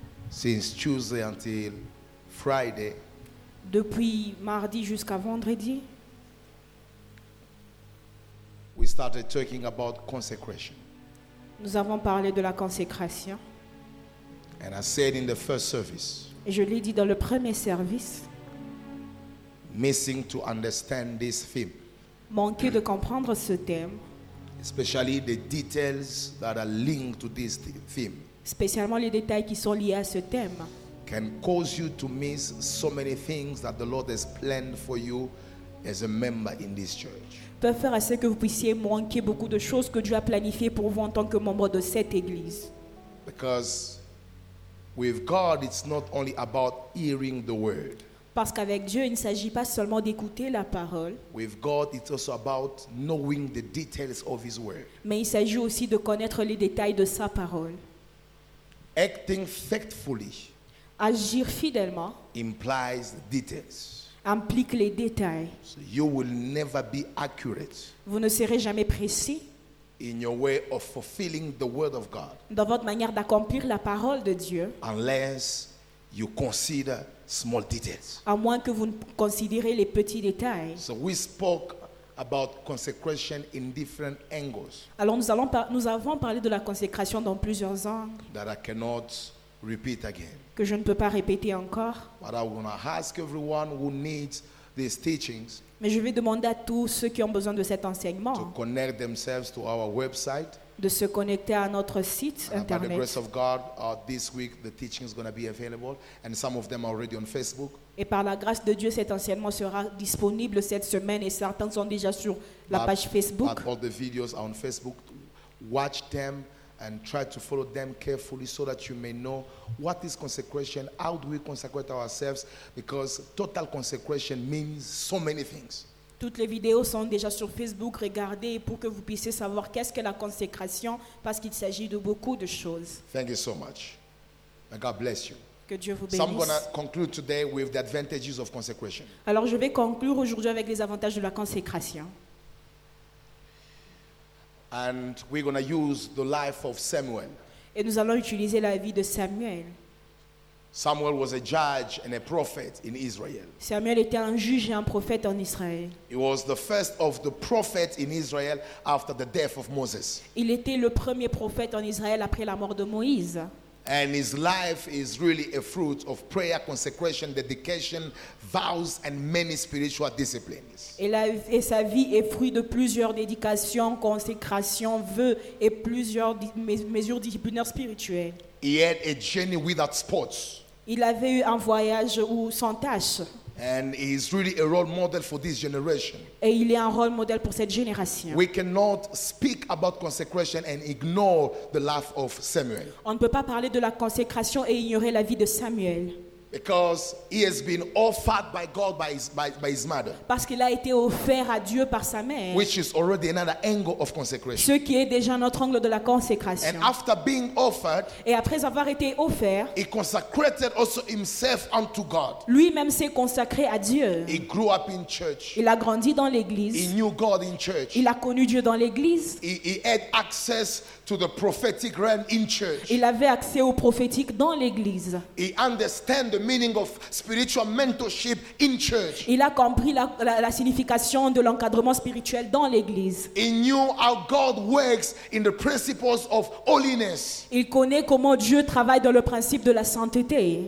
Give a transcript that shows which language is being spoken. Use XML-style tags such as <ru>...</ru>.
<en>since Tuesday until Friday,</en> <fr>depuis mardi jusqu'à vendredi,</fr> <en>we started talking about consecration.</en> <fr>Nous avons parlé de la consécration.</fr> <en>And I said in the first service,</en> <fr>et je l'ai dit dans le premier service,</fr> <en>missing to understand this theme,</en> <fr>manquer de comprendre ce thème,</fr> <en>especially the details that are linked to this theme,</en> <fr>spécialement les détails qui sont liés à ce thème,</fr> <en>can cause you to miss so many things that the Lord has planned for you as a member in this church.</en> <fr>Peut faire à ce que vous puissiez manquer beaucoup de choses que Dieu a planifiées pour vous en tant que membre de cette église.</fr> <en>Because with God, it's not only about hearing the word.</en> <fr>Parce qu'avec Dieu, il ne s'agit pas seulement d'écouter la parole.</fr> <en>With God, it's also about knowing the details of his word.</en> <fr>Mais il s'agit aussi de connaître les détails de sa parole.</fr> <en>Acting faithfully,</en> <fr>agir fidèlement,</fr> <en>implies details.</en> <fr>Implique les détails.</fr> <en>So you will never be accurate.</en> <fr>Vous ne serez jamais précis.</fr> <en>In your way of fulfilling the word of God.</en> <fr>Dans votre manière d'accomplir la parole de Dieu.</fr> <en>Unless you consider small details.</en> <fr>À moins que vous ne considérez les petits détails.</fr> <en>So we spoke about consecration in different angles.</en> <fr>Alors nous avons parlé de la consécration dans plusieurs angles.</fr> <en>That I cannot repeat again.</en> <fr>Que je ne peux pas répéter encore.</fr> <en>But I want to ask everyone who needs these teachings.</en> <fr>Mais je vais demander à tous ceux qui ont besoin de cet enseignement</fr> <en>to connect themselves to our website,</en> <fr>de se connecter à notre site internet.</fr> <en>By the grace of God, this week the teaching is going to be available, and some of them are already on Facebook.</en> <fr>Et par la grâce de Dieu, cet enseignement sera disponible cette semaine, et certains sont déjà sur la page Facebook.</fr> <en>But all the videos are on Facebook. Watch them and try to follow them carefully so that you may know what is consecration, how do we consecrate ourselves, because total consecration means so many things.</en> <fr>Toutes les vidéos sont déjà sur Facebook, regardez pour que vous puissiez savoir qu'est-ce que la consécration, parce qu'il s'agit de beaucoup de choses.</fr> <en>Thank you so much. May God bless you.</en> <fr>Que Dieu vous bénisse.</fr> <en>So I'm going to conclude today with the advantages of consecration.</en> <fr>Alors je vais conclure aujourd'hui avec les avantages de la consécration.</fr> <en>And we're going to use the life of Samuel.</en> <fr>Et nous allons utiliser la vie de Samuel.</fr> <en>Samuel was a judge and a prophet in Israel.</en> <fr>Samuel était un juge et un prophète en Israël.</fr> <en>He was the first of the prophets in Israel after the death of Moses.</en> <fr>Il était le premier prophète en Israël après la mort de Moïse.</fr> <en>And his life is really a fruit of prayer, consecration, dedication, vows, and many spiritual disciplines.</en> <fr>Et sa vie est fruit de plusieurs dédications, consécrations, vœux et plusieurs mesures disciplinaires spirituelles.</fr> <en>He had a journey without spots.</en> <fr>Il avait eu un voyage où sans tache.</fr> <en>And he is really a role model for this generation.</en> <fr>Et il est un rôle modèle pour cette génération.</fr> <en>We cannot speak about consecration and ignore the life of Samuel.</en> <fr>On ne peut pas parler de la consécration et ignorer la vie de Samuel.</fr> <en>Because he has been offered by God by his mother.</en> <fr>Parce qu'il a été offert à Dieu par sa mère.</fr> <en>Which is already another angle of consecration.</en> <fr>Ce qui est déjà notre angle de la consécration.</fr> <en>And after being offered,</en> <fr>et après avoir été offert,</fr> <en>he consecrated also himself unto God.</en> <fr>Lui-même s'est consacré à Dieu.</fr> <en>He grew up in church.</en> <fr>Il a grandi dans l'église.</fr> <en>He knew God in church.</en> <fr>Il a connu Dieu dans l'église.</fr> <en>He had access to the prophetic realm in church.</en> <fr>Il avait accès au prophétique dans l'église.</fr> <en>He understand the meaning of spiritual mentorship in church.</en> <fr>Il a compris la signification de l'encadrement spirituel dans l'église.</fr> <en>He knew how God works in the principles of holiness.</en> <fr>Il connaît comment Dieu travaille dans le principe de la sainteté.</fr>